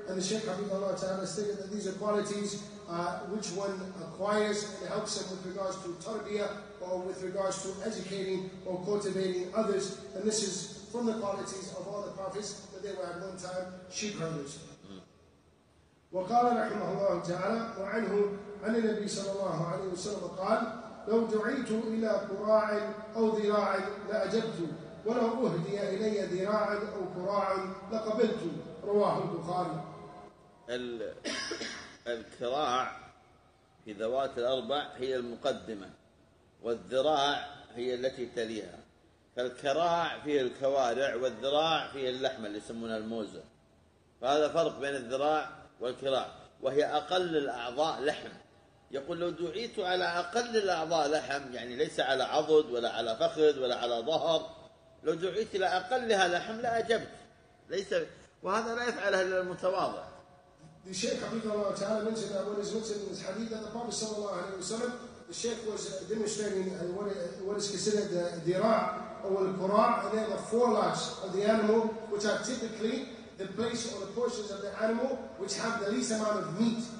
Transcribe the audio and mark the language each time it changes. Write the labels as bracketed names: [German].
[English] And the Shaykh Habibullah Ta'ala stated that these are qualities which one acquires and helps him with regards to tarbiyah or with regards to educating or cultivating others. And this is from the qualities of all the prophets that they were at one time sheep herders. [Arabic] وقال رحمه الله تعالى وعنه عن النبي صلى الله عليه وسلم قال لو دعيت إلى كراع أو ذراع لأجبت، ولو أهدي إلي ذراع أو كراع لقبلت. رواه البخاري. الكراع في ذوات الأربع هي المقدمة، والذراع هي التي تليها. فالكراع فيه الكوارع، والذراع فيه اللحمة اللي يسمونها الموزة. فهذا فرق بين الذراع والكراع، وهي أقل الأعضاء لحم. يقول لو دعيت على أقل الأعضاء لحم، يعني ليس على عضد ولا على فخذ ولا على ظهر، لو دعيت إلى أقلها لحم لا أجبت. ليس، وهذا لا يفعله إلا المتواضع. الشيخ حفظه الله تعالى [English] mentioned that when he's mentioning this hadith that the Prophet صلى الله عليه وسلم, the Shaykh was demonstrating what is considered the dira' or the qura', and they are the forelegs of the animal, which are typically the place or the portions of the animal which have the least amount of meat.